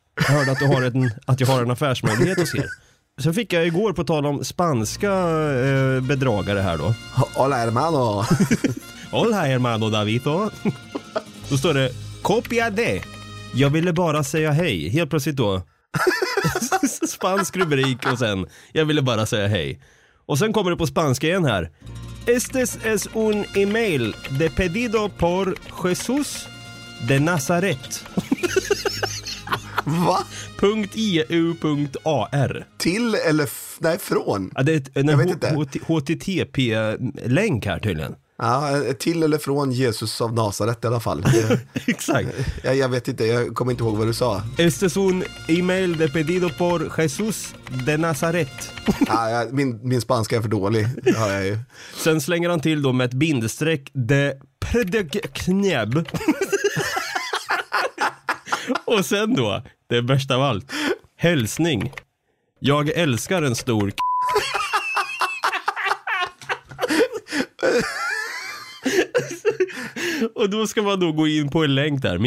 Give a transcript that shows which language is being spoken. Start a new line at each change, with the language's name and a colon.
Swedish: Jag hörde att du har att jag har en affärsmöjlighet och ser. Sen fick jag igår på tal om spanska bedragare här då.
Spanish: Hola, hermano. Hola, hermano, Davito.
Swedish: Då står det,
Spanish: copia de.
Swedish: Jag ville bara säga hej. Helt plötsligt då. Spansk rubrik och sen jag ville bara säga hej. Och sen kommer det på spanska igen här.
Spanish: Este es un email de pedido por Jesús de Nazaret.
Swedish: Va? .eu.ar. Till eller nej, från? Ja, det är en HTTP-länk här tydligen. Ja, till eller från Jesus av Nazaret i alla fall. Exakt. Jag vet inte, jag kommer inte ihåg vad du sa.
Spanish: Este es un email de pedido por Jesús de Nazaret.
Swedish: Ja, min spanska är för dålig, det har jag ju. Sen slänger han till då med ett bindestreck, de predeknäb. Och sen då, det bästa av allt, hälsning. Jag älskar en stor k- Och då ska man då gå in på en länk där.